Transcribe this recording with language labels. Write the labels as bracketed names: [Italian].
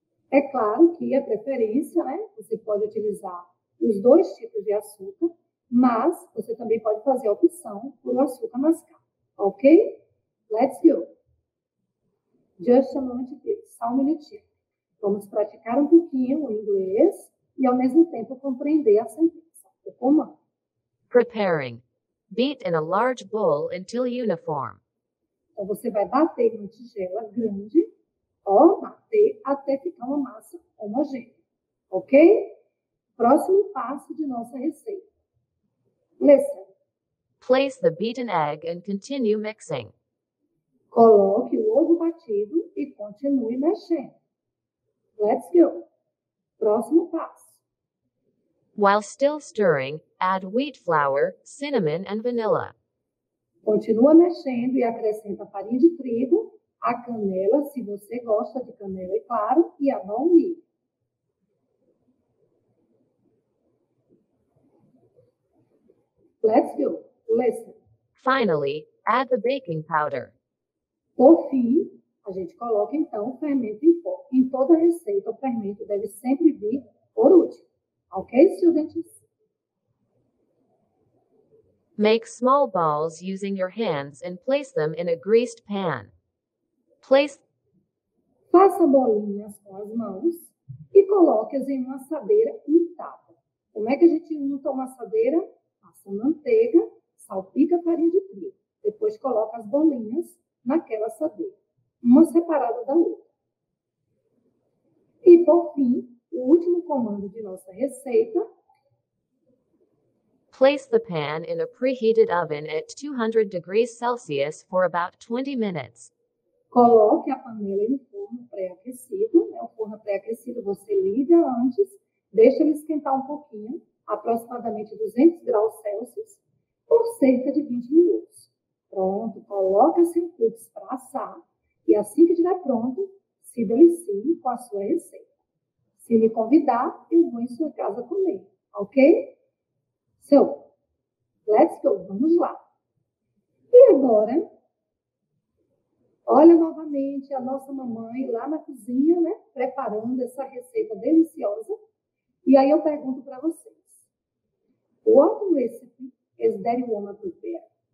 [Portuguese] É claro que a preferência, né? Você pode utilizar os dois tipos de açúcar, mas você também pode fazer a opção por açúcar mascavo. [English] Ok? Let's go. Just a moment, please. [Portuguese] Só um minutinho. Vamos praticar um pouquinho o inglês e ao mesmo tempo compreender a sentença, o comando. [English] Preparing. Beat in a large bowl until uniform. [Portuguese] Então você vai bater em uma tigela grande ou bater até ficar uma massa homogênea. Ok? Próximo passo de nossa receita. [English] Listen. Place the beaten egg and continue mixing. [Portuguese] Coloque o ovo batido e continue mexendo. [English] Let's go. [Portuguese] Próximo passo. [English] While still stirring, add wheat flour, cinnamon and vanilla. [Portuguese] Continua mexendo e acrescenta farinha de trigo, a canela, se você gosta de canela, é claro, e a baunilha. [English] Let's go. Listen. Finally, add the baking powder. [Portuguese] Por fim, a gente coloca então o fermento em pó. Em toda receita, o fermento deve sempre vir por último. [English] Ok, students? Make small balls using your hands and place them in a greased pan. [Portuguese] Faça bolinhas com as mãos e coloque-as em uma assadeira untada. Como é que a gente unta uma assadeira? Passa manteiga, salpica a farinha de trigo. Depois coloca as bolinhas naquela assadeira, uma separada da outra. E por fim, o último comando de nossa receita. [English] Place the pan in a preheated oven at 200 degrees Celsius for about 20 minutes. [Portuguese] Coloque a panela em forno pré-aquecido. O forno pré-aquecido você liga antes, deixa ele esquentar um pouquinho, aproximadamente 200 graus Celsius, por cerca de 20 minutos. Pronto, coloque seu cookie para assar e assim que estiver pronto, se delicie com a sua receita. Se me convidar, eu vou em sua casa comer, ok? [English] So, let's go, [Portuguese] vamos lá. E agora, olha novamente a nossa mamãe lá na cozinha, né, preparando essa receita deliciosa. E aí eu pergunto para vocês. [English] What recipe is that woman prepared?